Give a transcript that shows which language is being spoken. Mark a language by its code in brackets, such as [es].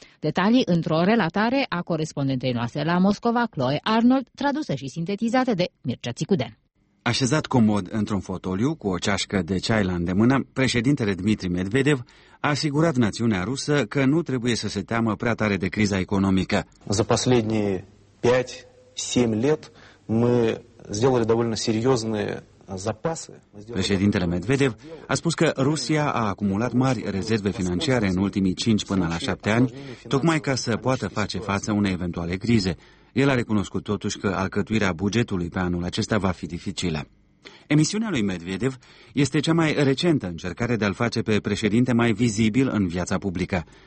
[ro] Detalii într-o relatare a corespondentei noastre la Moscova, Chloe Arnold, tradusă și sintetizată de Mircea Țicuden. Așezat comod într-un fotoliu, cu o ceașcă de ceai la îndemână, președintele Dmitri Medvedev a asigurat națiunea rusă că nu trebuie să se teamă prea tare de criza economică. [ru] За последние 5-7 лет мы сделали довольно серьёзные запасы. [ro] Președintele Medvedev a spus că Rusia a acumulat mari rezerve financiare în ultimii 5 până la 7 ani, tocmai ca să poată face față unei eventuale crize. El a recunoscut totuși că alcătuirea bugetului pe anul acesta va fi dificilă. Emisiunea lui Medvedev este cea mai recentă încercare de a-l face pe președinte mai vizibil în viața publică.